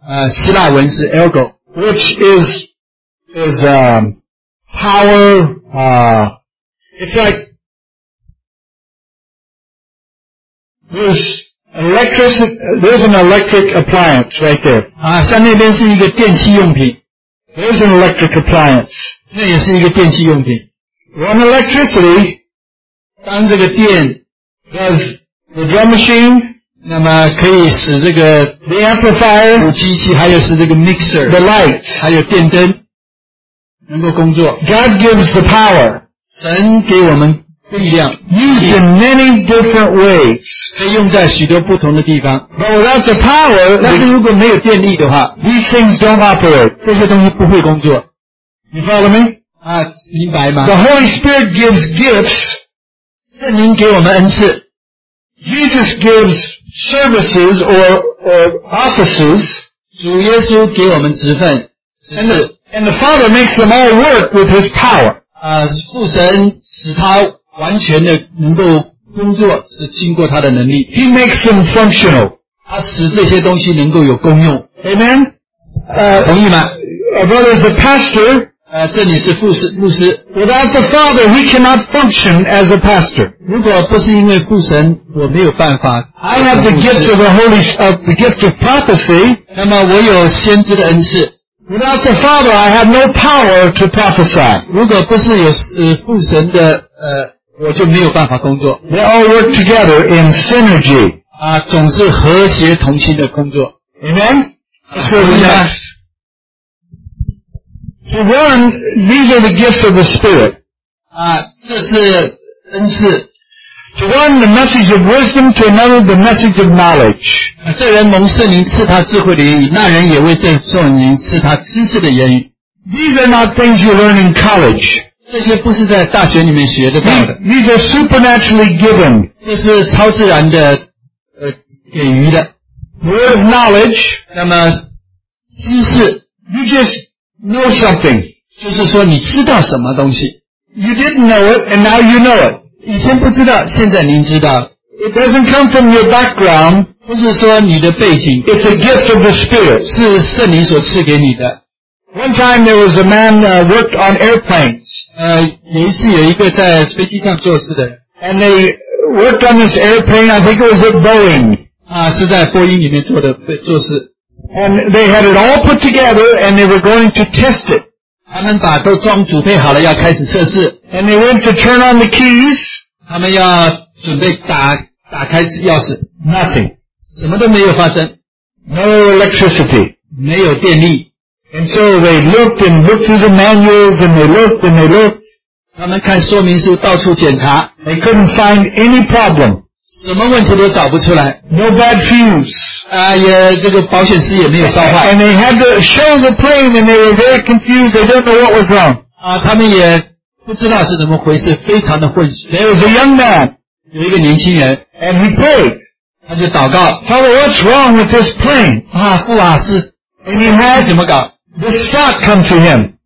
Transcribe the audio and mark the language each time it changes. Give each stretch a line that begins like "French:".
Chinese: 希腊文是 ergo.
English: Which is power, it's like... There's There's an electric appliance right there.
Chinese: 啊，上那边是一个电器用品。
English: There's an electric appliance.
Chinese: 那也是一个电器用品。
English: When electricity,
Chinese: 当这个电
English: does the drum machine,
Chinese: 那么可以使这个
English: the amplifier,
Chinese: 武器器还有是这个 mixer,
English: the lights,
Chinese: 还有电灯能够工作。
English: God gives the power.
Chinese: 神给我们力量。
English: Used in many different ways.
Chinese: 可以用在许多不同的地方。
English: But without the power,
Chinese: 但是如果没有电力的话
English: these things don't operate.
Chinese: 这些东西不会工作。
English: You follow me?
Chinese: 啊，明白吗
English: ？The Holy Spirit gives gifts.
Chinese: 圣灵给我们恩赐。
English: Jesus gives services or offices.
Chinese: 主耶稣给我们职分。
English: And the Father makes them all work with His power.
Chinese: 啊，父神使他完全的能够工作，是经过他的能力。
English: He makes them functional.
Chinese: 他使这些东西能够有功用。
English: Amen.
Chinese: 同意吗
English: ？Brother is a pastor.
Chinese: 这里是父神牧师。
English: Without the Father, he cannot function as a pastor.
Chinese: 如果不是因为父神，我没有办法。
English: I have the gift of the gift of prophecy.
Chinese: 那么我有先知的恩赐。
English: Without the Father, I have no power to prophesy.
Chinese: 如果不是有父神的我就没有办法工作。
English: They all work together in synergy.
Chinese: 啊，总是和谐同心的工作。
English: Amen. That's where we are. So one, these are the gifts of the Spirit.
Chinese: 啊，这是恩赐。
English: To one, the message of wisdom, to another, the message of knowledge.
Chinese: 啊，这人蒙圣灵赐他智慧的言语，那人也为这圣灵赐他知识的言语。
English: These are not things you learn in college.
Chinese: 这些不是在大学里面学得到的。
English: These are supernaturally given.
Chinese: 这是超自然的给予的。
English: Word of knowledge.
Chinese: 那么知识。
English: You just,know something.
Chinese: 就是说你知道什么东西。
English: You didn't know it, and now you know it.
Chinese: 以前不知道，现在您知道。
English: It doesn't come from your background.
Chinese: 不是说你的背景。
English: It's a gift of the Spirit.
Chinese: 是圣灵所赐给你的。
English: One time there was a man worked on airplanes.
Chinese: 有一次有一个在飞机上做事的。
English: And they worked on this airplane, I think it was at Boeing.
Chinese: 啊，是在波音里面做的，做事。
English: And they had it all put together and they were going to test it.
Chinese: 他们把都装组配好了要开始测试。
English: And they went to turn on the keys.
Chinese: 他们要准备打开钥匙。
English: Nothing.
Chinese: 什么都没有发生。
English: No electricity.
Chinese: 没有电力。
English: And so they looked and looked through the manuals and they looked and they looked.
Chinese: 他们看说明书到处检查。
English: They couldn't find any problem.
Chinese: 什么问题都找不出来。
English: No bad fuse.
Chinese: 这个保险丝也没有烧坏。
English: And they had to show the plane and they were very confused. They don't know what was wrong.
Chinese: 啊，他们也不知道是怎么回事，非常的混淆。
English: There was a young man.
Chinese: 有一个年轻人。
English: And he prayed.
Chinese: 他就祷告。
English: Father, what's wrong with this plane?
Chinese: 啊，父啊，是。
English: And he had,
Chinese: 怎么搞？
English: This thought come to him.